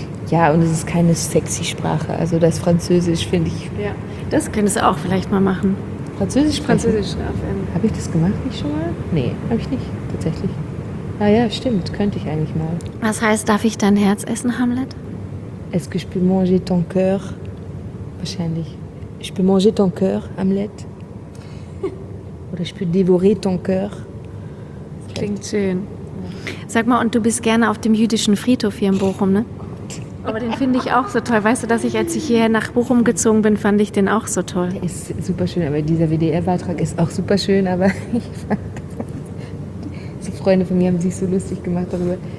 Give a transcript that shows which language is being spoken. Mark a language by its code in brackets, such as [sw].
[de] Ja, und es ist keine sexy Sprache. Also das Französisch finde ich. Ja, das könntest du auch vielleicht mal machen. Französisch sprechen? Französisch auf M. Habe ich das gemacht nicht schon mal? Nee, habe ich nicht, tatsächlich. Ah ja, stimmt, könnte ich eigentlich mal. Was heißt, darf ich dein Herz essen, Hamlet? [fr] Est-ce que je peux manger ton cœur? [de] Wahrscheinlich. [fr] Je peux manger ton cœur, Hamlet? [de] Oder [fr] je peux dévorer ton cœur. [de] Klingt schön. Sag mal, und du bist gerne auf dem jüdischen Friedhof hier in Bochum, ne? Aber den finde ich auch so toll. Weißt du, dass ich, als ich hierher nach Bochum gezogen bin, fand ich den auch so toll. Der ist super schön, aber dieser WDR-Beitrag ist auch super schön, aber so Freunde von mir haben sich so lustig gemacht darüber.